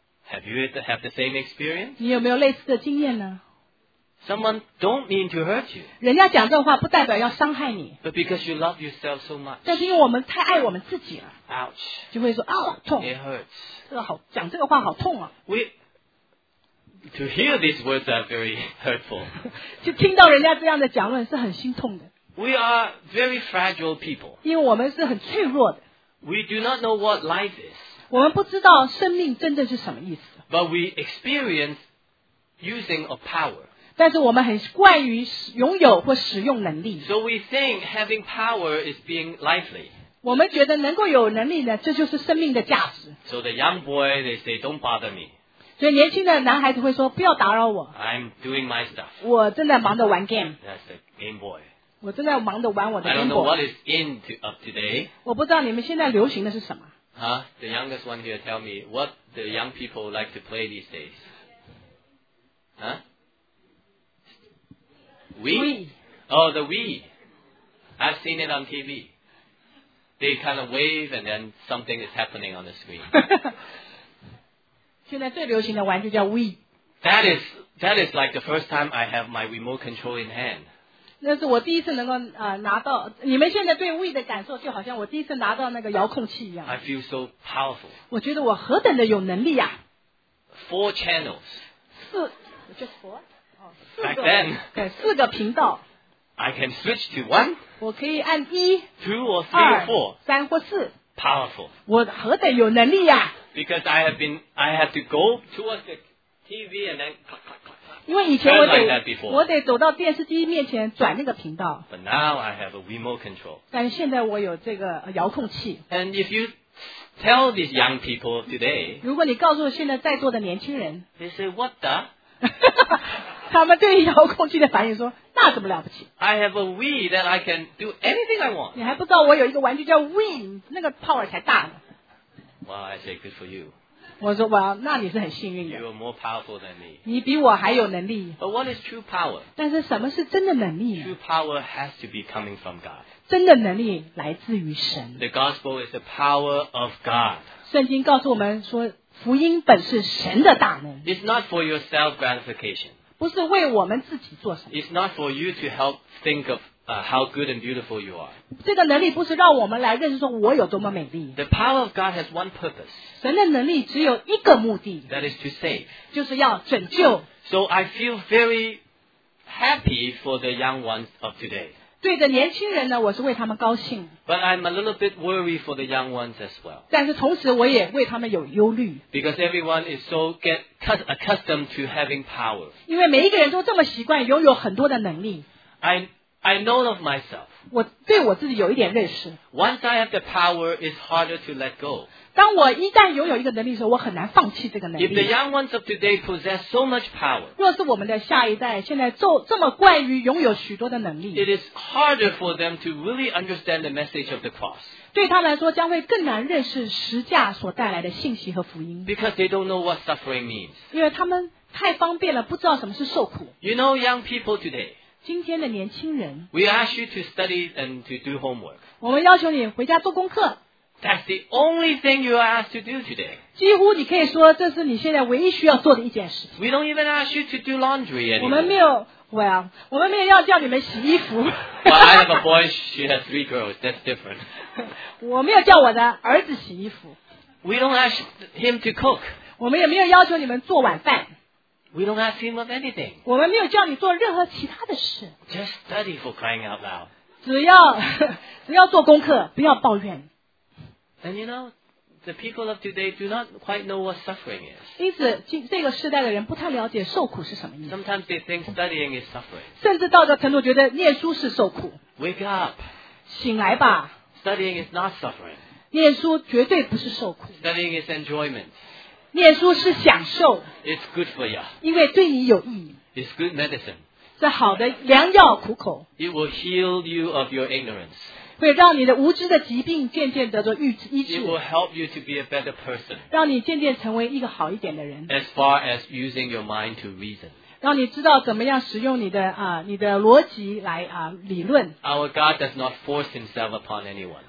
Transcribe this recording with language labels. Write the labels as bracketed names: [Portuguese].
[English] Have you had the same experience? [Chinese] 你有没有类似的经验呢？ [English] Someone don't mean to hurt you. [Chinese] 人家讲这话不代表要伤害你。 [English] But because you love yourself so much. [Chinese] 但是因为我们太爱我们自己了。 [English] Ouch. [Chinese] 就会说啊，痛。 [English] It hurts. [Chinese] 这个好讲这个话好痛啊。 [English] We to hear these words are very hurtful. [Chinese] 就听到人家这样的讲论是很心痛的。 [English] We are very fragile people. [Chinese] 因为我们是很脆弱的。 [English] We do not know what life is. [Chinese] 我们不知道生命真正是什么意思。 [English] But we experience using of power. [Chinese] 但是我们很惯于拥有或使用能力。 [English] So we think having power is being lively. [Chinese] 我们觉得能够有能力呢，这就是生命的价值。 [English] So the young boy, they say, don't bother me. [Chinese] 所以年轻的男孩子会说，不要打扰我。 [English] I'm doing my stuff. [Chinese] 我正在忙着玩 game. [English] That's the game boy. [Chinese] 我正在忙着玩我的 game boy. [English] I don't know what is in of today. [Chinese] 我不知道你们现在流行的是什么。 Huh? [English] The youngest one here tell me what the young people like to play these days. Huh? Wii? Oh, the Wii. I've seen it on TV. They kind of wave and then something is happening on the screen. [Chinese] 现在最流行的玩具叫 Wii. [English] That is like the first time I have my remote control in hand. [Chinese] 那是我第一次能够拿到，你们现在对 Wii 的感受就好像我第一次拿到那个遥控器一样。 [English] I feel so powerful. [Chinese] 我觉得我何等的有能力啊。 [English] Four channels. [Chinese] 四 [English] ,just four? Back then, [Chinese] 对，四个频道。 [English] I can switch to one. [Chinese] 我可以按一。 [English] Two or three or four. [Chinese] 三或四。 [English] Powerful. [Chinese] 我何等有能力呀、啊、 [English] ！Because I have to go towards the TV and then. [Chinese] 因为以前我得、 [English] like、that before. [Chinese] 我得走到电视机面前转那个频道。 [English] But now I have a remote control. [Chinese] 但现在我有这个遥控器。 [English] And if you tell these young people today, [Chinese] 如果你告诉现在在座的年轻人 [English] ，They say what the? [Chinese] 他们对遥控器的反应说：“那怎么了不起 [English] ？”I have a Wii that I can do anything I want. [Chinese] 你还不知道我有一个玩具叫 Wii， 那个 power 才大呢。 [English] Well, I say good for you. [Chinese] 我说哇，那你是很幸运的。 [English] You are more powerful than me. [Chinese] 你比我还有能力。 [English] But what is true power? [Chinese] 但是什么是真的能力 [English] ？True power has to be coming from God. [Chinese] 真的能力来自于神。 [English] The gospel is the power of God. [Chinese] 圣经告诉我们说，福音本是神的大能。 [English] It's not for your self gratification. [Chinese] 不是为我们自己做什么。 [English] It's not for you to help think of how good and beautiful you are. [Chinese] 这个能力不是让我们来认识说我有多么美丽。 [English] The power of God has one purpose. [Chinese] 神的能力只有一个目的。 [English] That is to save. [Chinese] 就是要拯救。 [English] So I feel very happy for the young ones of today. [Chinese] 对着年轻人呢，我是为他们高兴。 [English] But I'm a little bit worried for the young ones as well. [Chinese] 但是同时我也为他们有忧虑。 [English] Because everyone is so get. Accustomed to having power. [Chinese] 因为每一个人都这么习惯拥有很多的能力。 [English] I know of myself. [Chinese] 我对我自己有一点认识。 [English] Once I have the power, it's harder to let go. [Chinese] 当我一旦拥有一个能力的时候，我很难放弃这个能力。 [English] If the young ones of today possess so much power, [Chinese] 若是我们的下一代现在这么惯于拥有许多的能力， [English] it is harder for them to really understand the message of the cross. [Chinese] 对他来说将会更难认识十字架所带来的信息和福音。 [English] Because they don't know what suffering means. [Chinese] 因为他们太方便了，不知道什么是受苦。 [English] You know, young people today. [Chinese] 今天的年轻人。 [English] We ask you to study and to do homework. [Chinese] 我们要求你回家做功课。 [English] That's the only thing you are asked to do today. [Chinese] 几乎你可以说这是你现在唯一需要做的一件事。 [English] We don't even ask you to do laundry anymore. [Chinese] 我们没有。Well, 我们没有要叫你们洗衣服。 [English] But I have a boy, she has three girls, that's different. [Chinese] 我没有叫我的儿子洗衣服。 [English] We don't ask him to cook. [Chinese] 我们也没有要求你们做晚饭。 [English] We don't ask him of anything. [Chinese] 我们没有叫你做任何其他的事。 [English] Just study for crying out loud. [Chinese] 只要做功课，不要抱怨。 [English] And you know, the people of today do not quite know what suffering is. [Chinese] 因此，这个时代的人不太了解受苦是什么意思。 [English] Sometimes they think studying is suffering. [Chinese] 甚至到这程度，觉得念书是受苦。 [English] Wake up. [Chinese] 醒来吧。 [English] Studying is not suffering. [Chinese] 念书绝对不是受苦。 [English] Studying is enjoyment. [Chinese] 念书是享受。 [English] It's good for you. [Chinese] 因为对你有益。 [English] It's good medicine. [Chinese] 是好的良药苦口。 [English] It will heal you of your ignorance. [Chinese] 会让你的无知的疾病渐渐得到医治。 [English] It will help you to be a better person. [Chinese] 让你渐渐成为一个好一点的人。 [English] As far as using your mind to reason. [Chinese] 让你知道怎么样使用你的你的逻辑来理论。 [English] Our God does not force himself upon anyone.